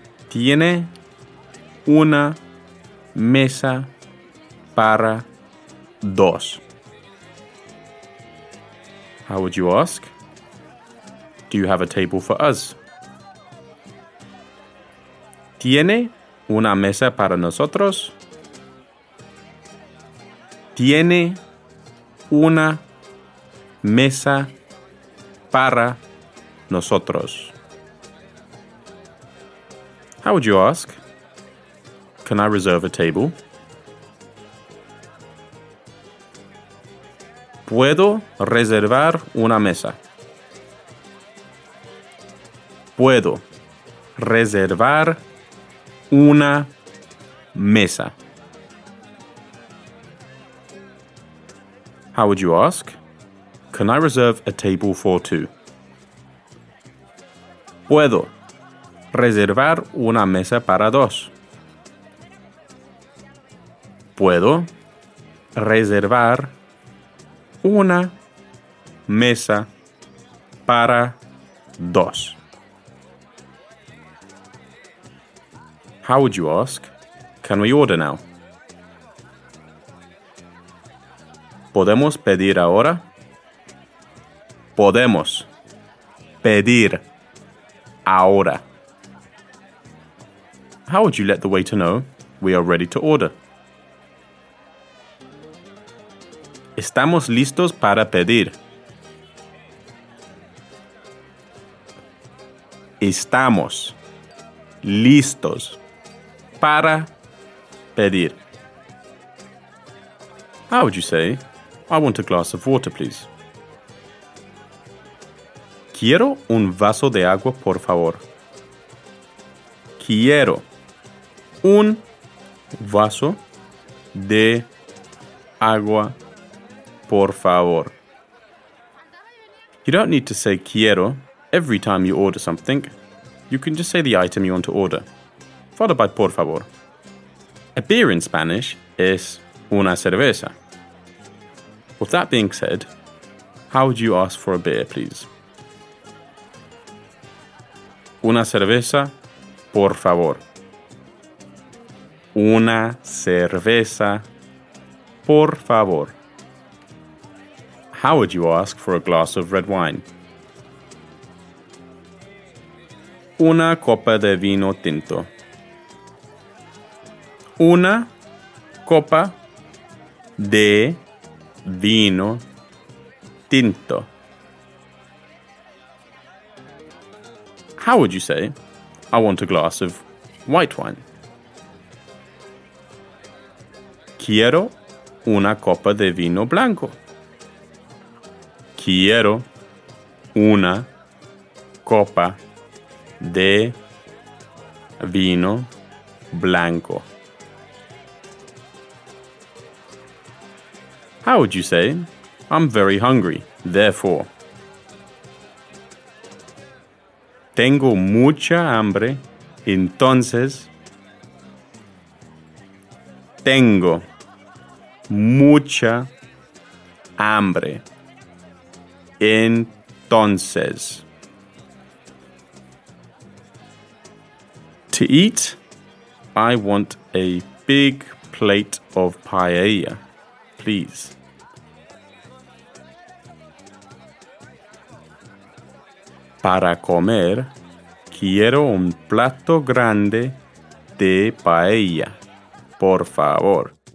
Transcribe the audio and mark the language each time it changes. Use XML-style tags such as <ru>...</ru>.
<es>Tiene una mesa para dos.</es> <en>How would you ask? Do you have a table for us?</en> <es>Tiene una mesa para nosotros. Tiene una mesa para nosotros.</es> <en>How would you ask? Can I reserve a table?</en> <es>Puedo reservar una mesa. Puedo reservar una mesa.</es> <en>How would you ask? Can I reserve a table for two?</en> <es>Puedo reservar una mesa para dos. Puedo reservar una mesa para dos.</es> <en>How would you ask? Can we order now?</en> <es>Podemos pedir ahora. Podemos pedir ahora.</es> <en>How would you let the waiter know we are ready to order?</en> <es>Estamos listos para pedir. Estamos listos para pedir.</es> <en>How would you say, I want a glass of water, please?</en> <es>Quiero un vaso de agua, por favor. Quiero un vaso de agua, por favor.</es> <en>You don't need to say quiero every time you order something. You can just say the item you want to order, followed by</en> <es>por favor.</es> <en>A beer in Spanish is</en> <es>una cerveza.</es> <en>With that being said, how would you ask for a beer, please?</en> <es>Una cerveza, por favor. Una cerveza, por favor.</es> <en>How would you ask for a glass of red wine?</en> <es>Una copa de vino tinto. Una copa de vino tinto.</es> <en>How would you say, I want a glass of white wine?</en> <es>Quiero una copa de vino blanco. Quiero una copa de vino blanco.</es> <en>How would you say, I'm very hungry, therefore?</en> <es>Tengo mucha hambre, entonces. Tengo mucha hambre, entonces.</es> <en>To eat, I want a big plate of paella, please.</en> <es>Para comer, quiero un plato grande de paella, por favor.</es>